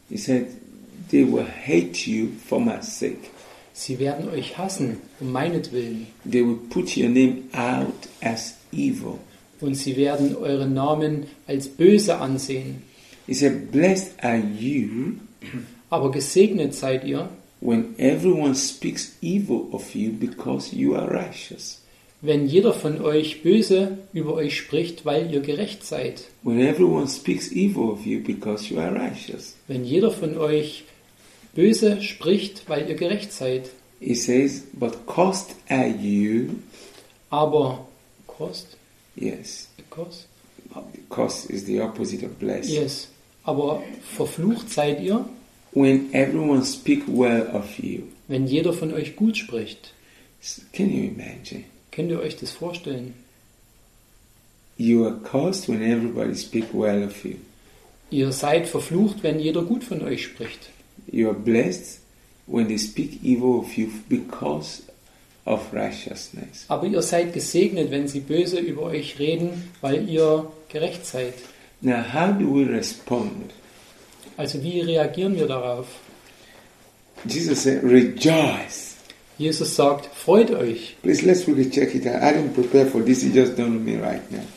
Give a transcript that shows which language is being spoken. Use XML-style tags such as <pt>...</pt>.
<en>He said, they will hate you for my sake.</en> <de>Sie werden euch hassen, um meinetwillen.</de> <en>They will put your name out as evil.</en> <de>Und sie werden euren Namen als böse ansehen.</de> <en>He said, blessed are you.</en> <de>Aber gesegnet seid ihr.</de> <en>When everyone speaks evil of you because you are righteous.</en> <de>Wenn jeder von euch böse über euch spricht, weil ihr gerecht seid.</de> <en>When everyone speaks evil of you because you are righteous.</en> <de>Wenn jeder von euch böse spricht, weil ihr gerecht seid.</de> <en>He says, but cost are you.</en> <de>Aber cost?</de> <en>Yes. Cost? Cost is the opposite of blessed.</en> <de>Yes. Aber verflucht seid ihr.</de> <en>When everyone speaks well of you.</en> <de>Wenn jeder von euch gut spricht.</de> <en>Can you imagine?</en> <de>Könnt ihr euch das vorstellen?</de> <en>You are cost when everybody speaks well of you.</en> <de>Ihr seid verflucht, wenn jeder gut von euch spricht.</de> <en>You are blessed when they speak evil of you because of righteousness.</en> <de>Aber ihr seid gesegnet, wenn sie böse über euch reden, weil ihr gerecht seid.</de> <en>Now how do we respond?</en> <de>Also wie reagieren wir darauf?</de> <en>Jesus said, rejoice.</en> <de>Jesus sagt, freut euch.</de> <en>Please let's really check it out. I didn't prepare for this. It just dawned on me right now.</en>